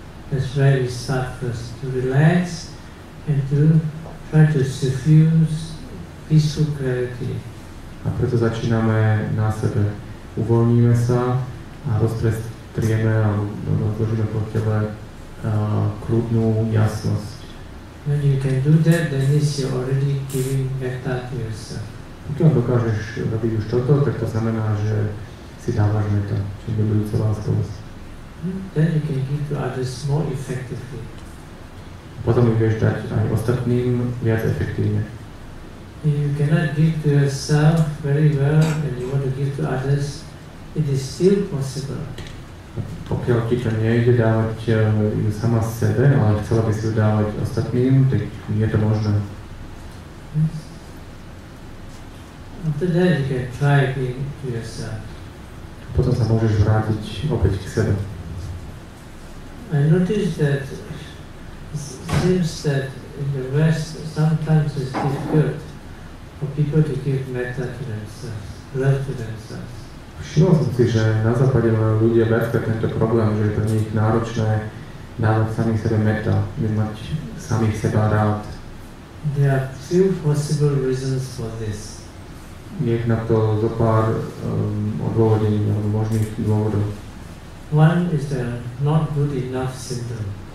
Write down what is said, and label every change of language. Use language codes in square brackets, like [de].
[en] That's why we start first to relax and to try to suffuse peaceful clarity. [sk] A preto začíname na sebe. Uvoľníme sa a rozprestrieme a rozložíme po tebe kľudnú jasnosť. [en] When you can do that, then you're already giving metta to yourself. [sk] Keď on dokážeš robiť už toto, tak to znamená, že si dávaš meta, čo je budúce láskovosť. [en] Then you can give to others more effectively. [sk] Potom ju vieš dať aj ostatným viac efektívne. [en] If you cannot give to yourself very well and you want to give to others, it is still possible. [sk] Pokiaľ ti to nejde dávať ju sama sebe, ale chcela by si ju dávať ostatným, tak je to možné. [en] After that you can try giving to yourself. [sk] Potom sa môžeš vrátiť opäť k sebe. [en] I notice that seems that in the West sometimes it's difficult for people to give metta to themselves, love to themselves. [sk] Všimol som si, že na západe majú ľudia veľké tento problém, že je pre nich náročné dávať samých sebe metta, mať samých seba rád. [en] There are few possible reasons for this. [sk] Je na to zo pár odôvodení alebo možných dôvodov. [en] One is the not good enough syndrome.